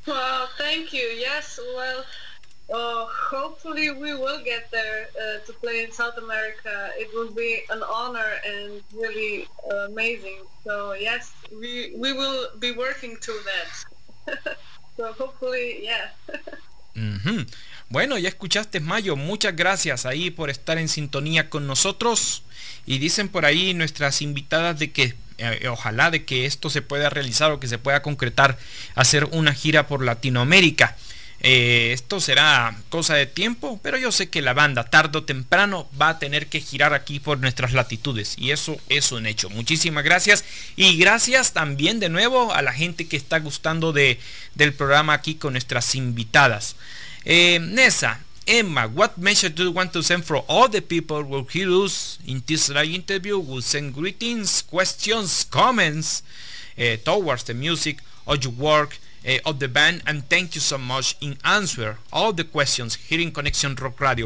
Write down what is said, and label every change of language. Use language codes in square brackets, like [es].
[en] Well, thank you. Yes, well, hopefully we will get there to play in South America. It will be an honor and really amazing. So yes, we will be working through that. So hopefully, yeah. [es] Mm-hmm. Bueno, ya escuchaste, Mayo. Muchas gracias ahí por estar en sintonía con nosotros. Y dicen por ahí nuestras invitadas de que ojalá de que esto se pueda realizar o que se pueda concretar hacer una gira por Latinoamérica. Esto será cosa de tiempo, pero yo sé que la banda tarde o temprano va a tener que girar aquí por nuestras latitudes, y eso es un hecho. Muchísimas gracias, y gracias también de nuevo a la gente que está gustando del programa aquí con nuestras invitadas. [en] Neza, Emma, what message do you want to send for all the people who hear us in this live interview? Who send greetings, questions, comments towards the music or your work of the band, and thank you so much in answer all the questions here in Conexión Rock Radio.